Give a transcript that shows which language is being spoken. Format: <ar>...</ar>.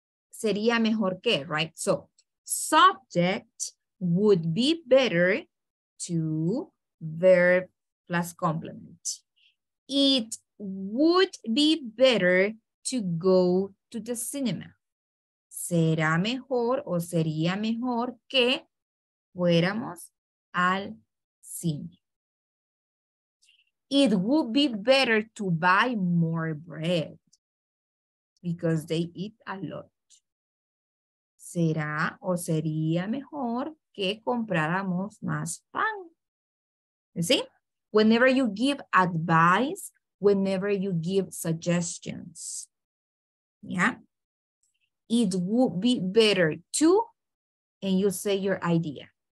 <es>Sería mejor que,</es> <en>right? So, subject would be better to verb plus complement. It would be better to go to the cinema.</en> <es>Será mejor o sería mejor que fuéramos al cine.</es> <en>It would be better to buy more bread because they eat a lot.</en> <es>¿Será o sería mejor que compráramos más pan? ¿Sí?</es> <en>whenever you give advice, whenever you give suggestions. Yeah. It would be better to, and you say your idea.</en>